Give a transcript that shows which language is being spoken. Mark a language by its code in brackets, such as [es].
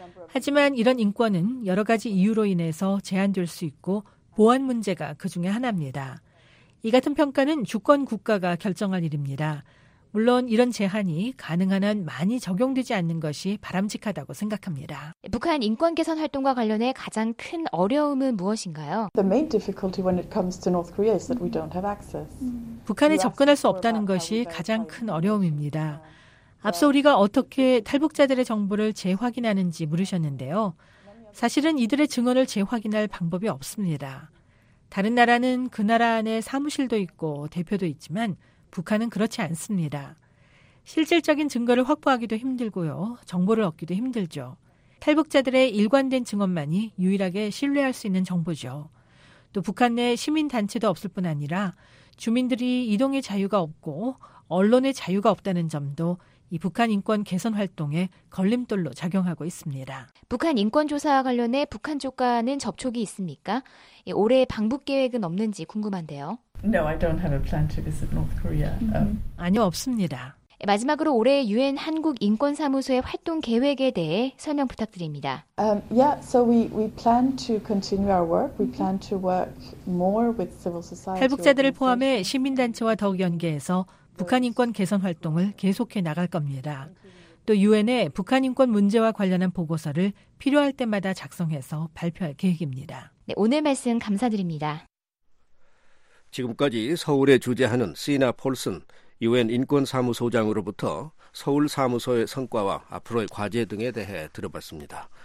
[ko] 하지만 이런 인권은 여러 가지 이유로 인해서 제한될 수 있고 보안 문제가 그 중에 하나입니다. 이 같은 평가는 주권 국가가 결정할 일입니다. 물론 이런 제한이 가능한 한 많이 적용되지 않는 것이 바람직하다고 생각합니다. 북한 인권 개선 활동과 관련해 가장 큰 어려움은 무엇인가요? [en] The main difficulty when it comes to North Korea is that we don't have access. [ko] 북한에 접근할 수 없다는 것이 가장 큰 어려움입니다. 앞서 우리가 어떻게 탈북자들의 정보를 재확인하는지 물으셨는데요. 사실은 이들의 증언을 재확인할 방법이 없습니다. 다른 나라는 그 나라 안에 사무실도 있고 대표도 있지만 북한은 그렇지 않습니다. 실질적인 증거를 확보하기도 힘들고요. 정보를 얻기도 힘들죠. 탈북자들의 일관된 증언만이 유일하게 신뢰할 수 있는 정보죠. 또 북한 내 시민단체도 없을 뿐 아니라 주민들이 이동의 자유가 없고 언론의 자유가 없다는 점도 이 북한 인권 개선 활동에 걸림돌로 작용하고 있습니다. 북한 인권조사와 관련해 북한 쪽과는 접촉이 있습니까? 올해 방북 계획은 없는지 궁금한데요. [en] No, I don't have a plan to visit North Korea. [ko] 아니요, 없습니다. 마지막으로 올해 UN 한국 인권 사무소의 활동 계획에 대해 설명 부탁드립니다. [en] So we plan to continue our work. We plan to work more with civil society. [ko] 탈북자들을 포함해 시민 단체와 더욱 연계해서 북한 인권 개선 활동을 계속해 나갈 겁니다. 또 UN에 북한 인권 문제와 관련한 보고서를 필요할 때마다 작성해서 발표할 계획입니다. 네, 오늘 말씀 감사드립니다. 지금까지 서울에 주재하는 시나 폴슨 UN 인권사무소장으로부터 서울 사무소의 성과와 앞으로의 과제 등에 대해 들어봤습니다.